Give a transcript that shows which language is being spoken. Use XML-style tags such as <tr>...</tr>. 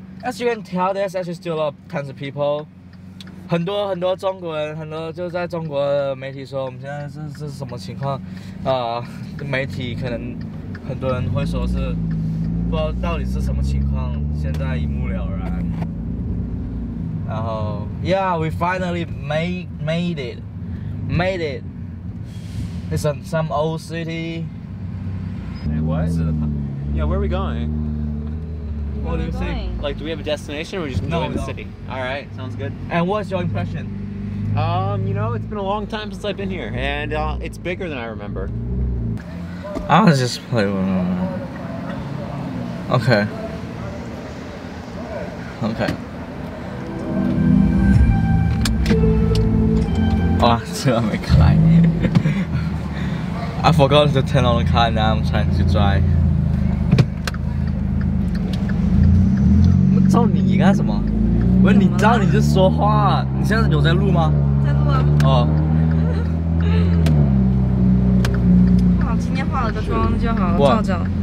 <en>As you can tell, there's actually still a lot of tons of people.</en> <zh>很多很多中国人，很多就在中国的媒体说我们现在这是什么情况？媒体可能很多人会说是不知道到底是什么情况，现在一目了然。</zh> <en>然后 ，Yeah, we finally made it. It's in some old city. Hey, what? Yeah, where are we going? What do you think? Like, do we have a destination or are we just going to the city? Alright, sounds good. And what's your impression? You know, it's been a long time since I've been here, and it's bigger than I remember. I'll just play one more. Okay. Okay. Oh, it's gonna be kind. I forgot to turn on the car and now I'm trying to drive.</en> <zh>少你干什么？不是你照你这说话，你现在有在录吗？在录啊。哦。哇，今天化了个妆就好了，照照。</zh>